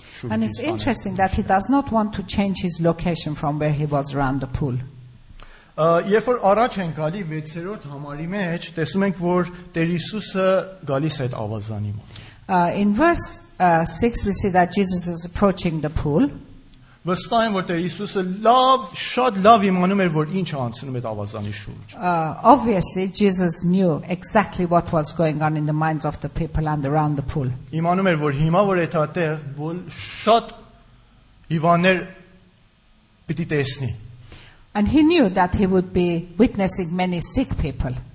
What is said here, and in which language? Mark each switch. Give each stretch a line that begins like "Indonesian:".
English: And it's interesting that he does not want to change his location from where he was around the pool.
Armenian: Երբ որ առաջ են գալի 6-րդ համարի մեջ, տեսնում ենք, որ Տեր Հիսուսը գալիս է այդ ավազանի մոտ.
English: In verse 6 we see that Jesus is approaching the pool.
Armenian: Վստահ եմ, որ Տեր Հիսուսը լավ, շատ լավ իմանում էր, որ ինչ անցնում է այդ ավազանի շուրջ.
English: Obviously Jesus knew exactly what was going on in the minds of the people and around the pool.
Armenian: Իմանում էր, որ հիմա որ այդ այդտեղ շատ հիվաններ պիտի տեսնի.
English: And he knew that he would be witnessing many sick people.